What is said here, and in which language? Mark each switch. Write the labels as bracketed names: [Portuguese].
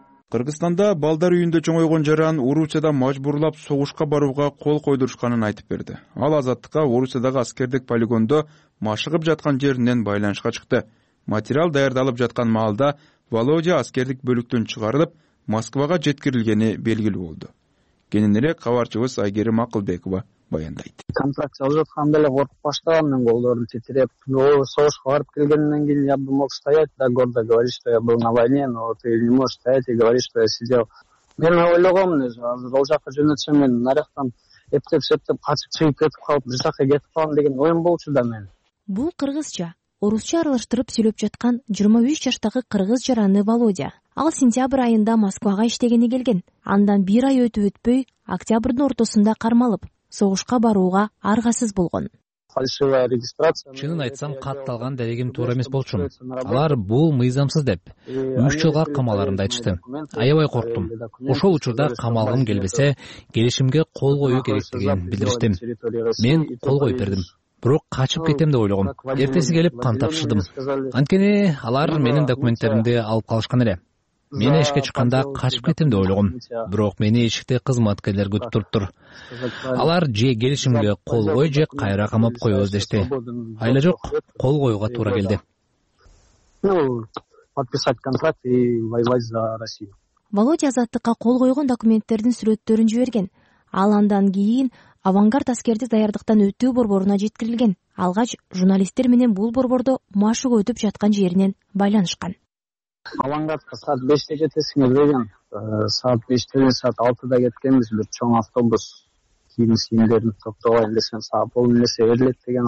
[Kyrgyz] Кыргызстанда балдар үйүндө чоңойгон жаран Орусияда мажбурлап согушка барууга кол койдурушканын айтып берди. Ал азаттыкка Орусиядагы аскердик полигондо машыгып жаткан жеринен байланышка чыкты. Материал даярдалып жаткан маалда Володя аскердик бөлүктөн чыгарылып, Москвага жеткирилгени белгилүү болду. Кененирээк кабарчыбыз Айгерим Акылбекова баяндайт. Контракт жазып жатканда эле коркуп баштагам, мен колдорум титиреп, согушка барып келгенден кийин [Russian] я бы мог стоять, да гордо говорить, что я был на войне, но ты не можешь стоять и говорить, что я сидел. [Kyrgyz] Мен ойлогомун өзү, азыр ал жака жөнөтсөм, мен наряктан эптеп-септеп качып чыгып кетип калып, бир жака кетип калам деген оюм болчу да мен. Бул кыргызча, орусча аралаштырып сүйлөп жаткан 23 жаштагы кыргыз жараны Володя. Ал сентябрь айында Москвага иштегени келген. Андан бир ай өтүп өтпөй, октябрдын ортосунда кармалып, согушка барууга аргасыз болгон. Чынын айтсам, катталган дарегим туура эмес болчу. Алар бул мыйзамсыз деп 3 жылга камаларымды айтышты. Аябай корктум. Ошол учурда камалгым келбесе, келишимге кол коюу керектигин билдиштим. Мен кол коюп бердим. Бирок качып кетем деп ойлогом. Эртеси келип кан тапшырдым. Анткени алар менин документтеримди алып калышкан эле. Мен эшикке чыкканда качып кетем деп ойлогом. Бирок мени эшикте кызматкерлер күтүп туруптур. Алар же келишимге кол кой, же кайра камап коебуз дешти. Айла жок, кол коюуга туура келди. [Russian] Подписать контракт и воевать за Россию. [Kyrgyz] Володя азаттыкка кол койгон документтердин сүрөттөрүн жиберген. Ал андан кийин авангард аскердик даярдыктан өтүү борборуна жеткирилген. Алгач журналисттер менен бул борбордо машык өтүп жаткан жеринен байланышкан. Авангардка саат 5:00 жетесиңер деген, саат 5:00, саат 6:00 кеткенбиз, бир чоң автобус кийим-кийимдерин топтобайын десем, саап болун десе берилет деген.